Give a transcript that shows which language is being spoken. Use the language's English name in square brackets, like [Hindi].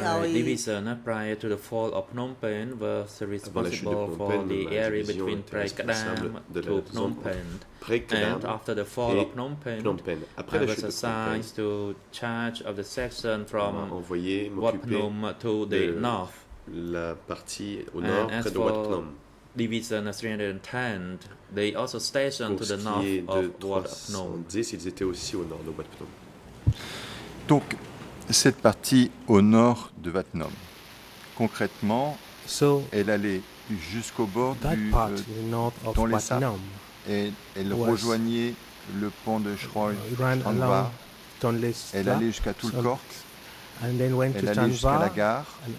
[English] Aoi division prior to the fall of Phnom Penh was responsible for the area between Prai Kadam to Phnom Penh. And after the fall of Phnom Penh, [French] Après [English] I was assigned to charge of the section from Wat Phnom to the north. [French] La partie au nord près de Wat Phnom. [English] Division 310, they also stationed to the north of Wat Phnom. [French] Ils étaient aussi au nord de Wat Phnom. Donc, cette partie au nord de Wat Phnom, concrètement, elle allait jusqu'au bord du Tonle Sap. Elle rejoignait le pont de Tranva, elle allait jusqu'à Tulkork, elle allait jusqu'à la gare,